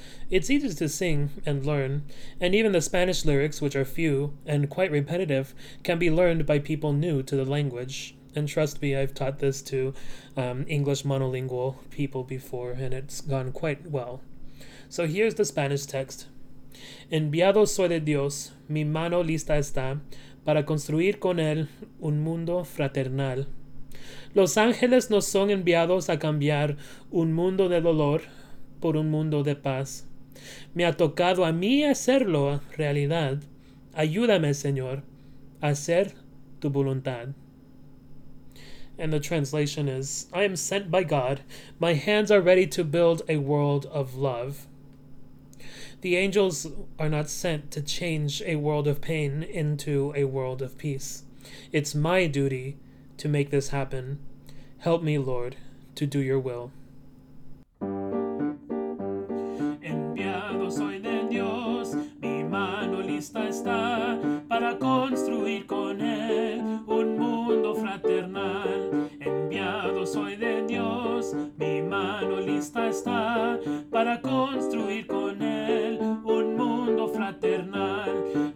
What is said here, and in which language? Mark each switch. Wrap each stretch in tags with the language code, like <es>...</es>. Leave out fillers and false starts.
<en>It's easy to sing and learn, and even the Spanish lyrics, which are few and quite repetitive, can be learned by people new to the language. And trust me, I've taught this to English monolingual people before, and it's gone quite well. So here's the Spanish text.</en> <es>Enviado soy de Dios, mi mano lista está para construir con él un mundo fraternal. Los ángeles no son enviados a cambiar un mundo de dolor por un mundo de paz. Me ha tocado a mí hacerlo realidad. Ayúdame, Señor, a hacer tu voluntad.</es> <en>And the translation is, I am sent by God. My hands are ready to build a world of love. The angels are not sent to change a world of pain into a world of peace. It's my duty to make this happen. Help me, Lord, to do your will.</en> <es>Enviado soy de Dios, mi mano lista está para construir con él un mundo fraternal. Enviado soy de Dios, mi mano lista está para construir con él un mundo fraternal.</es>